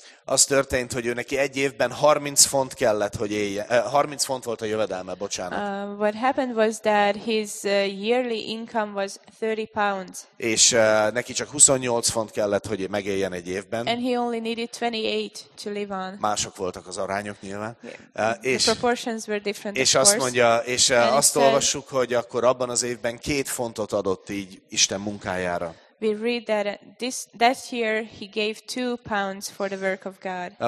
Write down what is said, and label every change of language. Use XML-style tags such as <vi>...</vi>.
<hu>Az történt, hogy ő neki egy évben 30 font kellett, hogy élje. 30 font volt a jövedelme, bocsánat.</hu> <en>What happened was that his yearly income was 30 pounds.</en> <hu>És neki csak 28 font kellett, hogy megéljen egy évben.</hu> <en>And he only needed 28 to live on.</en> <hu>Mások voltak az arányok nyilván.</hu> <en>Yeah. The proportions were different,</en> <hu>és azt mondja, és azt olvassuk, hogy akkor abban az évben 2 fontot adott így Isten munkájára.</hu> <en>We read that that year he gave 2 pounds for the work of God.</en>